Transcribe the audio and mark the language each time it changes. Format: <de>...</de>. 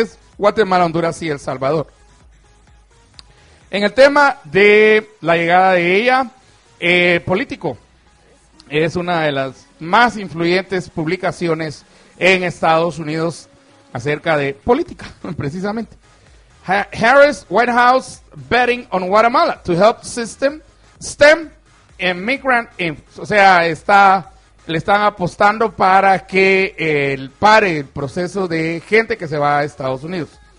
<es>Es Guatemala, Honduras y El Salvador. En el tema de la llegada de ella, político, es una de las más influyentes publicaciones en Estados Unidos acerca de política, precisamente.</es> <en>Harris White House betting on Guatemala to help system stem immigrant inf.</en> <es>O sea, le están apostando para que pare el proceso de gente que se va a Estados Unidos.</es>